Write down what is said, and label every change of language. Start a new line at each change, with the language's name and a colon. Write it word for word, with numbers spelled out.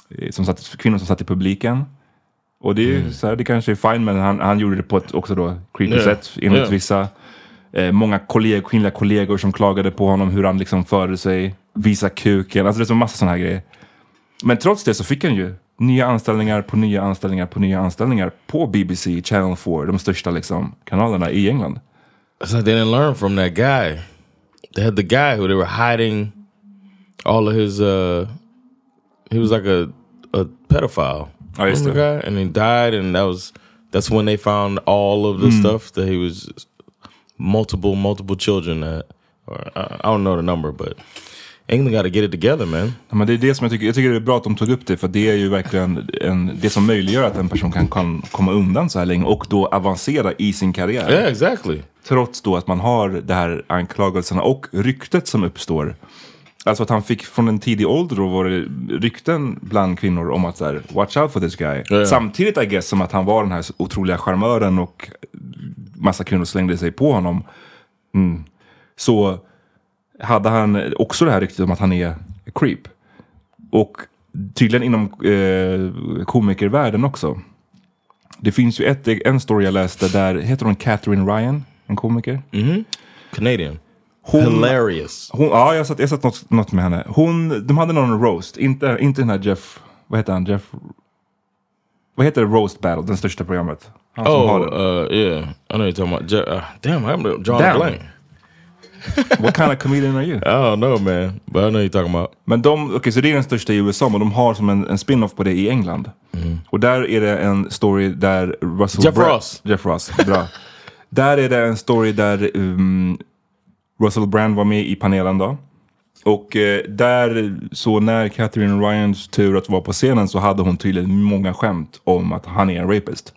Swedish: som satt, kvinnor som satt i publiken. Och det är ju mm. så här, det kanske är fine, men han, han gjorde det på ett också då creepy yeah. sätt enligt yeah. vissa. Eh, många kollegor, kvinnliga kollegor som klagade på honom hur han liksom förde sig, visa kuken, alltså det är så massa sådana här grejer. Men trots det så fick han ju nya anställningar på nya anställningar på nya anställningar på B B C, Channel fyra, de största liksom kanalerna i England.
English: So they didn't learn from that guy. They had the guy who they were hiding all of his uh, he was like a a pedophile. Oh, the guy, and he died, and that was that's when they found all of the mm. stuff that he was multiple multiple children that, or I, I don't know the number, but England got to get it together, man.
Swedish: Ja, men det är det som jag tycker jag tycker det är bra att de tog upp det, för det är ju verkligen en, det som möjliggör att en person kan, kan komma undan så här länge och då avancera i sin karriär.
English: Yeah, exactly.
Swedish: Trots då att man har det här anklagelserna och ryktet som uppstår. Alltså att han fick från en tidig ålder då var det rykten bland kvinnor om att så här,
English: watch out for this guy. Yeah.
Swedish: Samtidigt,
English: I guess,
Swedish: som att han var den här otroliga charmören och massa kvinnor slängde sig på honom. Mm. Så hade han också det här ryktet om att han är creep. Och tydligen inom eh, komikervärlden också. Det finns ju ett, en story jag läste där, heter hon Catherine Ryan, en komiker?
English: Mm-hmm. Canadian.
Swedish: Hon,
English: Hilarious.
Swedish: Hon, ja, jag satt, jag satt något, något med henne. Hon, de hade någon roast. Inte, inte den här Jeff... Vad heter han? Jeff... Vad heter det? Roast Battle, den största programmet. Han oh, uh, yeah.
English: I know you're talking about... Jeff, uh, damn, I'm drawing damn. a blank. What kind of comedian are you? I don't know, man. But I know you're talking about...
Swedish: Men de... Okej,
English: okay,
Swedish: så det är den största i U S A, men de har som en, en spin-off på det i England. Mm. Och där är det en story där... Russell Jeff Brand, Ross. Jeff Ross, bra. Där är det en story där... Um, Russell Brand var med i panelen då. Och eh, där så när Catherine Ryans tur att vara på scenen så hade hon tydligen många skämt om att han är en rapist.